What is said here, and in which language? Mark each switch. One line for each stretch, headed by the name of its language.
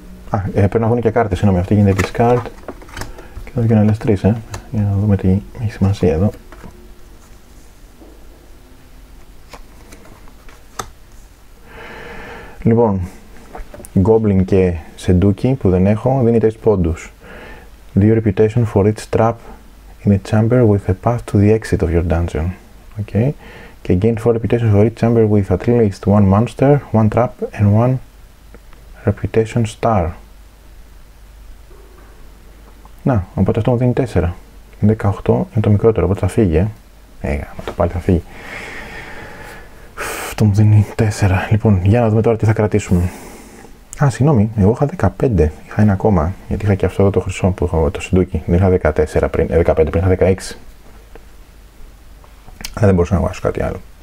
Greek: Α, πρέπει να βγουν και κάρτες. Συγγνώμη, αυτή γίνεται discard. Και εδώ γίνονται άλλες 3, για να δούμε τι έχει σημασία εδώ. Λοιπόν, Goblin και Senduki που δεν έχω, δίνει 3 πόντους.
English: 2 reputation for each trap in a chamber with a path to the exit of your dungeon. Okay. Και gain 4 reputation for each chamber with at least 1 monster, 1 trap and 1 reputation star.
Greek: Να, οπότε αυτό μου δίνει 4. 18 είναι το μικρότερο, οπότε θα φύγει. Μα το πάλι θα φύγει. Αυτό μου δίνει 4. Λοιπόν, για να δούμε τώρα τι θα κρατήσουμε. Α, συγγνώμη, εγώ είχα 15. Είχα ένα ακόμα. Γιατί είχα και αυτό εδώ το χρυσό που είχα, το συντούκι. Δεν είχα 14 πριν, 15 πριν, είχα 16. Αλλά δεν μπορούσα να αγοράσω κάτι άλλο.